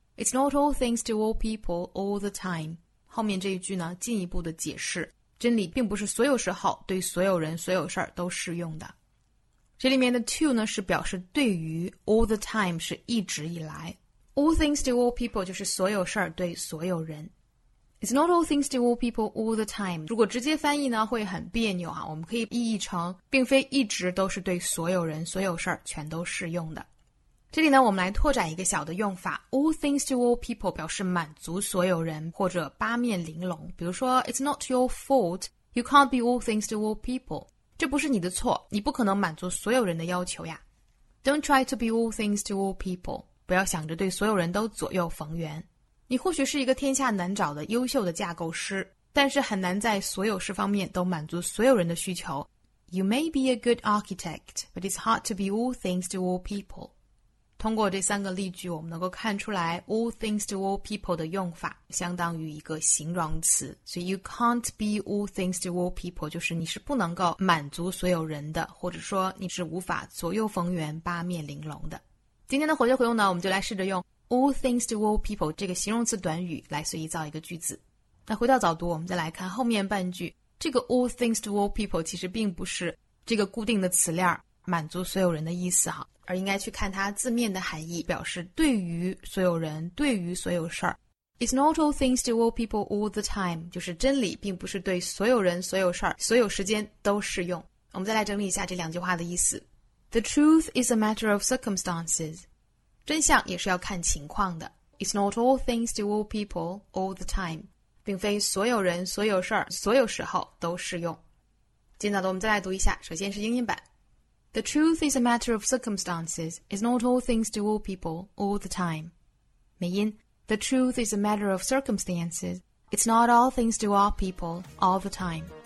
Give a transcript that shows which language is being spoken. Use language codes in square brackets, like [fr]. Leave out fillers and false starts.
[en] It's not all things to all people all the time. [zh] 后面这一句呢进一步的解释，真理并不是所有时候对所有人所有事儿都适用的。这里面的 [en] to [zh] 呢是表示对于， [en] all the time [zh] 是一直以来， [en] all things to all people [zh] 就是所有事儿对所有人。 [en] It's not all things to all people all the time [zh] 如果直接翻译呢会很别扭啊，我们可以意译成并非一直都是对所有人所有事儿全都适用的。这里呢我们来拓展一个小的用法， [en] All things to all people [zh] 表示满足所有人或者八面玲珑，比如说 [en] It's not your fault, you can't be all things to all people. [zh] 这不是你的错，你不可能满足所有人的要求呀。 [en] Don't try to be all things to all people. [zh] 不要想着对所有人都左右逢源。你或许是一个天下难找的优秀的架构师，但是很难在所有事方面都满足所有人的需求。 [en] You may be a good architect, but it's hard to be all things to all people. [zh] 通过这三个例句我们能够看出来 [en] all things to all people [zh] 的用法相当于一个形容词，所以 [en] you can't be all things to all people [zh] 就是你是不能够满足所有人的，或者说你是无法左右逢源八面玲珑的。今天的活学活用呢，我们就来试着用 [en] all things to all people [zh] 这个形容词短语来随意造一个句子。那回到早读，我们再来看后面半句，这个 [en] all things to all people [zh] 其实并不是这个固定的词链满足所有人的意思哈，而应该去看它字面的含义，表示对于所有人对于所有事儿。 [en] It's not all things to all people all the time [zh] 就是真理并不是对所有人所有事儿所有时间都适用。我们再来整理一下这两句话的意思， [en] The truth is a matter of circumstances [zh] 真相也是要看情况的， [en] It's not all things to all people all the time [zh] 并非所有人所有事儿所有时候都适用。今早的我们再来读一下，首先是英音版， [en] The truth is a matter of circumstances. It's not all things to all people all the time. [zh] 美音， [en] The truth is a matter of circumstances. It's not all things to all people all the time.